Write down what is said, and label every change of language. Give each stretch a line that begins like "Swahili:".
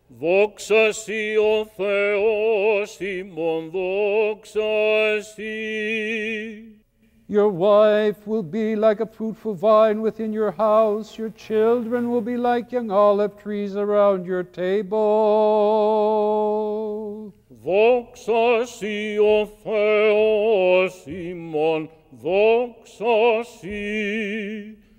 Greek: Δόξασι ο Θεός ημών, δόξασι.
English: Your wife will be like a fruitful vine within your house. Your children will be like young olive trees around your table.
Greek: Δόξασι ο Θεός ημών, δόξασι.